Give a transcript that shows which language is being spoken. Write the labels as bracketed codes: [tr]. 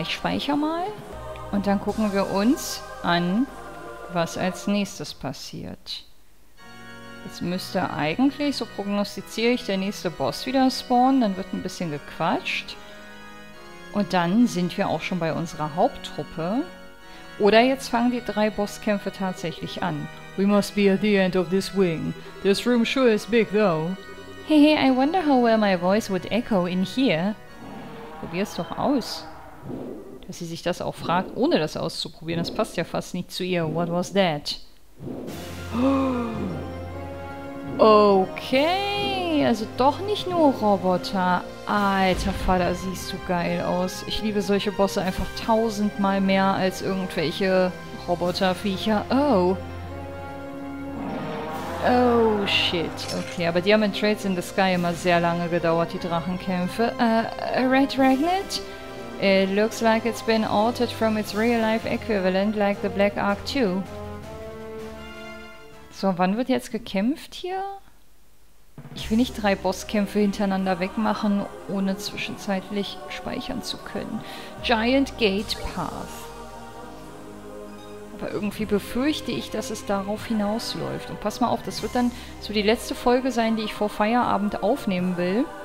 [de] Ich speichere mal und dann gucken wir uns an, was als nächstes passiert. Jetzt müsste eigentlich, so prognostiziere ich, der nächste Boss wieder spawnen. Dann wird ein bisschen gequatscht. Und dann sind wir auch schon bei unserer Haupttruppe. Oder jetzt fangen die drei Bosskämpfe tatsächlich an. [en] We must be at the end of this wing. This room sure is big though. Hehe, I wonder how well my voice would echo in here. [de] Probier's doch aus. Dass sie sich das auch fragt, ohne das auszuprobieren. Das passt ja fast nicht zu ihr. [en] What was that? [de] Okay, also doch nicht nur Roboter. Alter Vater, siehst du geil aus. Ich liebe solche Bosse einfach tausendmal mehr als irgendwelche Roboterviecher. Oh. Oh, shit. Okay, aber die haben in Trails in the Sky immer sehr lange gedauert, die Drachenkämpfe. [en] Red Ragnet? It looks like it's been altered from its real-life equivalent like the Black Ark 2. [de] So, wann wird jetzt gekämpft hier? Ich will nicht drei Bosskämpfe hintereinander wegmachen, ohne zwischenzeitlich speichern zu können. Giant Gate Path. Aber irgendwie befürchte ich, dass es darauf hinausläuft. Und pass mal auf, das wird dann so die letzte Folge sein, die ich vor Feierabend aufnehmen will.